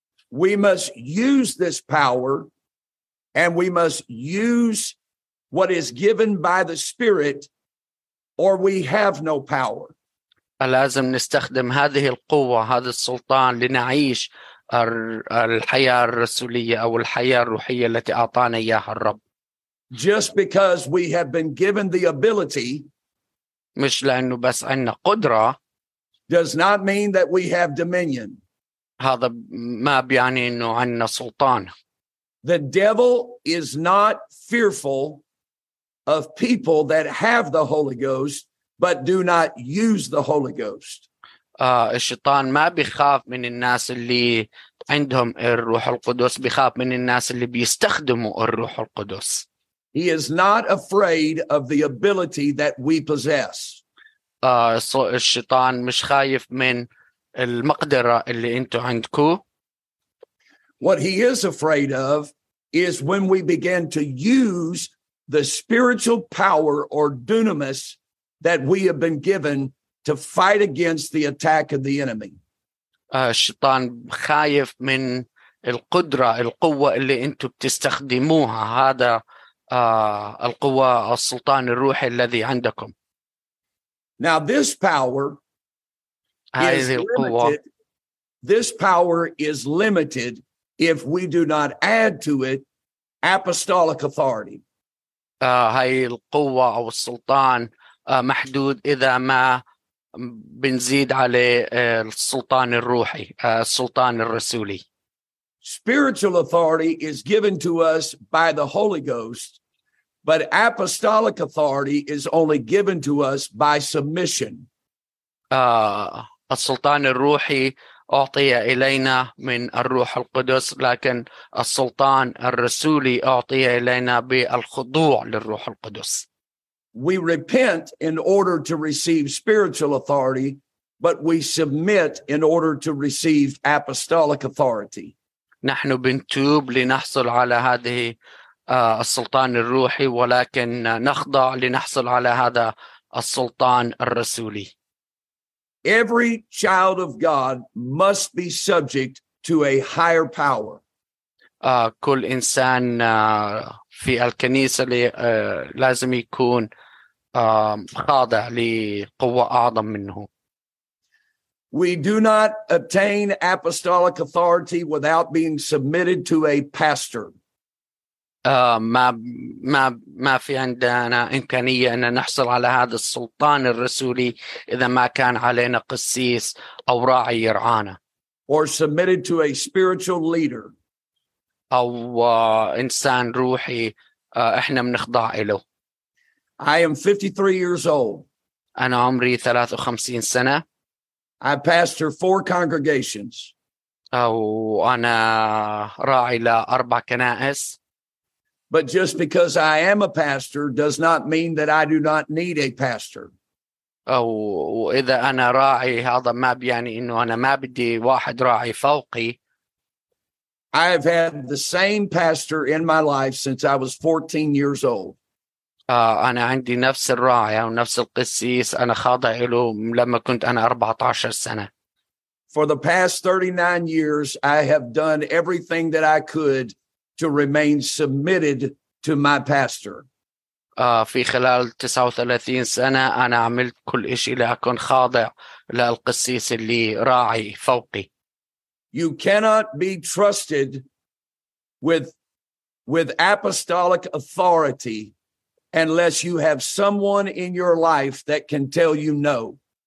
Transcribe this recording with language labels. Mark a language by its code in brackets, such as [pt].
[en] We must use this power and we must use what is given by the spirit or we have no power. [ar] لازم نستخدم هذه القوة هذا السلطان لنعيش الحياة الرسولية أو الحياة الروحية التي أعطانا إياها الرب. [en] Just because we have been given the ability, [ar] مش لأنه بس عندنا قدرة, [en] does not mean that we have dominion. [ar] هذا ما بيعني إنه عندنا سلطان. [en] The devil is not fearful of people that have the Holy Ghost but do not use the Holy Ghost. [ar] الشيطان ما بيخاف من الناس اللي عندهم الروح القدس, بيخاف من الناس اللي بيستخدموا الروح القدس. [en] He is not afraid of the ability that we possess. [ar] الشيطان مش خايف من المقدرة اللي انتو عندكو. [en] What he is afraid of is when we begin to use the spiritual power or dunamis that we have been given to fight against the attack of the enemy. [ar] الشيطان خايف من القدرة القوة اللي انتو بتستخدموها هذا القوة السلطان الروحي الذي عندكم. [en] Now this power [ar] هذه القوة. [en] Is limited. This power is limited if we do not add to it apostolic authority. [ar] هاي القوة أو السلطان محدود إذا ما بنزيد على السلطان الروحي السلطان الرسولي. [en] Spiritual authority is given to us by the Holy Ghost, but apostolic authority is only given to us by submission. [ar] السلطان الروحي أعطي إلينا من الروح القدس, لكن السلطان الرسولي أعطي إلينا بالخضوع للروح القدس. [en] We repent in order to receive spiritual authority, but we submit in order to receive apostolic authority. [ar] نحن بنتوب لنحصل على هذه السلطان الروحي, ولكن نخضع لنحصل على هذا السلطان الرسولي. [en] Every child of God must be subject to a higher power. [ar] كل إنسان في الكنيسة لازم يكون خاضع لقوة أعظم منه. [en] We do not obtain apostolic authority without being submitted to a pastor. [ar] ما في عندنا إمكانية أن نحصل على هذا السلطان الرسولي إذا ما كان علينا قسيس أو راعي يرعانا. [en] Or submitted to a spiritual leader. [ar] أو إنسان روحي إحنا بنخضع له. [en] I am 53 years old. [ar] أنا عمري 53 سنة. [en] I pastor 4 congregations. [ar] وأنا راعي لأربع كنائس. [en] But just because I am a pastor does not mean that I do not need a pastor. [ar] وإذا أنا راعي هذا ما بيعني إنه أنا ما بدي واحد راعي فوقي. [en] I have had the same pastor in my life since I was 14 years old. [ar] أنا عندي نفس الراعي أو نفس القسيس أنا خاضع له لما كنت أنا 14 سنة. [en] For the past 39 years, I have done everything that I could to remain submitted to my pastor. [ar] في خلال 39 سنة أنا عملت كل إشي لأكون خاضع للقسيس اللي راعي فوقي. [en] You cannot be trusted with apostolic authority unless you have someone in your life that can tell you no.